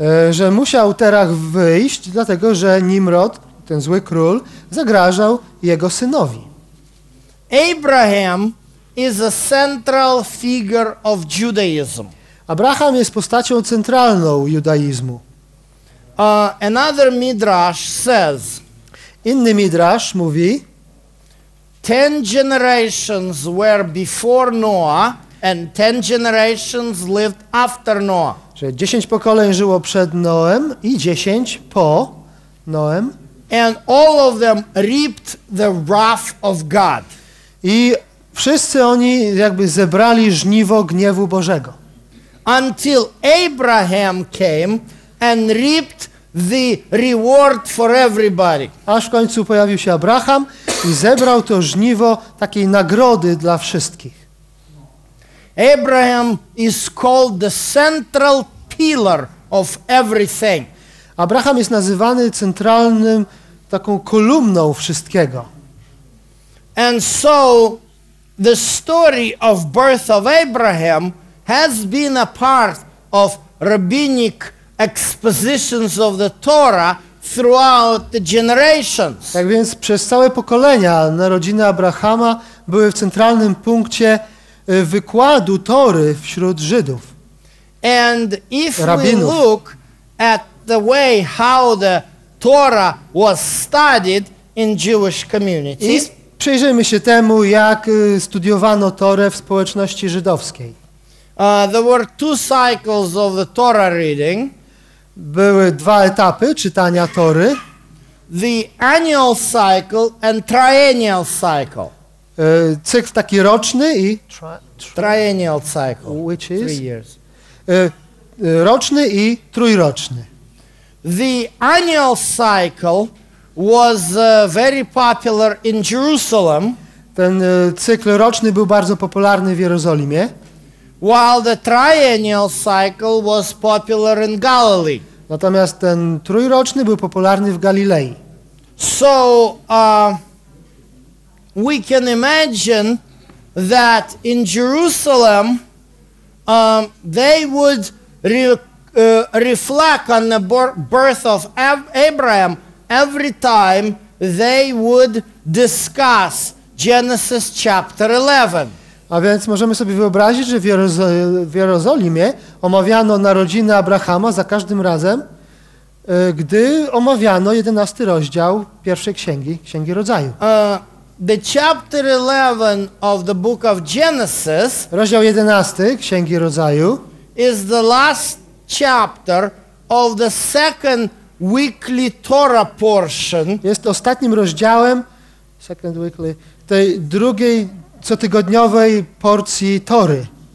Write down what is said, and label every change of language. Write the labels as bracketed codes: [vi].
[pl] Że musiał Terach wyjść, dlatego że Nimrod, ten zły król, zagrażał jego synowi. [en] Abraham is a central figure of Judaism. [pl] Abraham jest postacią centralną judaizmu. [en] Another midrash says. [pl] Inny midrash mówi. [en] Ten generations were before Noah and 10 generations lived after Noah. [pl] Że 10 pokoleń żyło przed Noem i 10 po Noem. [en] And all of them reaped the wrath of God. [pl] I wszyscy oni jakby zebrali żniwo gniewu Bożego. [en] Until Abraham came and reaped the reward for everybody. [pl] Aż w końcu pojawił się Abraham i zebrał to żniwo takiej nagrody dla wszystkich. [en] Abraham is called the central pillar of everything. [pl] Abraham jest nazywany centralnym taką kolumną wszystkiego. [en] And so the story of birth of Abraham has been a part of rabbinic expositions of the Torah throughout the generations. [pl] Tak więc przez całe pokolenia narodziny Abrahama były w centralnym punkcie wykładu Tory wśród Żydów. [en] And if rabinów. We look at the way how the Torah was studied in Jewish community. [pl] I przyjrzyjmy się temu, jak studiowano Torę w społeczności żydowskiej. [en] There were two cycles of the Torah reading. [pl] Były dwa etapy czytania Tory. [en] The annual cycle and triennial cycle. [pl] Cykl taki roczny i [en] triennial cycle, which is 3 years. [pl] Roczny i trójroczny. [en] The annual cycle was very popular in Jerusalem. [pl] Ten cykl roczny był bardzo popularny w Jerozolimie. [en] While the triennial cycle was popular in Galilee. [pl] Natomiast ten trójroczny był popularny w Galilei. [en] So we can imagine that in Jerusalem they would reflect on the birth of Abraham every time they would discuss Genesis chapter 11. [pl] A więc możemy sobie wyobrazić, że w Jerozolimie omawiano narodziny Abrahama za każdym razem, gdy omawiano 11 rozdział pierwszej księgi, Księgi Rodzaju. [en] The chapter 11 of the book of Genesis. [pl] Rozdział 11 Księgi Rodzaju [en] is the last chapter of the second weekly Torah portion. [pl] Jest ostatnim rozdziałem [en] second weekly [pl] tej drugiej cotygodniowej porcji Tory.